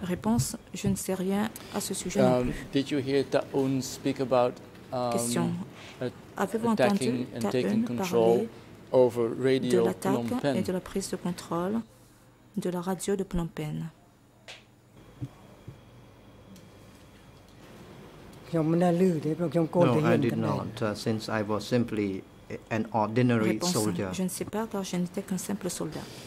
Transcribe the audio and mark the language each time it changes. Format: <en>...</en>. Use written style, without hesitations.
<fr>Réponse, je ne sais rien à ce sujet non plus.</fr> <en>Did you hear Taun speak about attacking and taking control over radio</en> <fr>de l'attaque et de la prise de contrôle de la radio de Phnom Penh?</fr> <en>No, I did not, since I was simply an ordinary soldier.</en> <fr>Je ne sais pas, car je n'étais qu'un simple soldat.</fr>